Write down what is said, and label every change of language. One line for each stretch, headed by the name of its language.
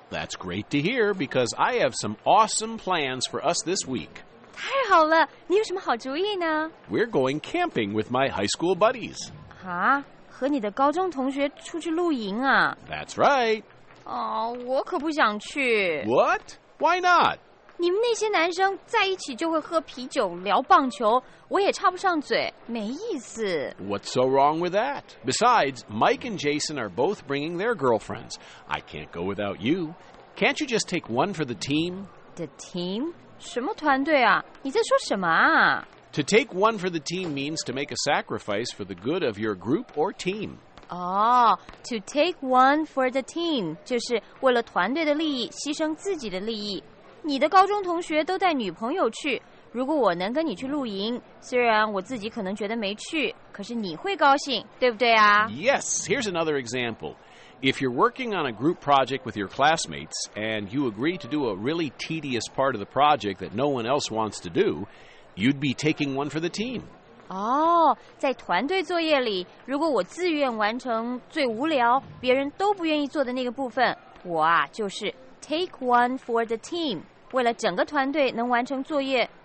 English: That's great to hear because I have some awesome plans for us this week.
Chinese: 太好了，你有什么好主意呢？
English: We're going camping with my high school buddies. 啊？
Chinese: 和你的高中同学出去露营啊。
English: That's right.
Chinese: 哦，我可不想去。
English: What? Why not?
Chinese: 你们那些男生在一起就会喝啤酒聊棒球，我也插不上嘴，没意思。
English: What's so wrong with that? Besides, Mike and Jason are both bringing their girlfriends. I can't go without you. Can't you just take one for the team? The team?
Chinese: 什么团队啊？你在说什么啊？
English: To take one for the team means to make a sacrifice for the good of your group or team. Oh, to take one for the team,
Chinese: 就是为了团队的利益，牺牲自己的利益。你的高中同学都带女朋友去，如果我能跟你去露营，虽然我自己可能觉得没趣，可是你会高兴，对不对啊？
English: Yes, here's another example. If you're working on a group project with your classmates, and you agree to do a really tedious part of the project that no one else wants to do,You'd be taking one for the team.
Chinese: Oh, 在团队作业里，如果我自愿完成最无聊，别人都不愿意做的那个部分，我啊，就是
English: take one for the team.
Chinese: 为了整个团队能完成作业，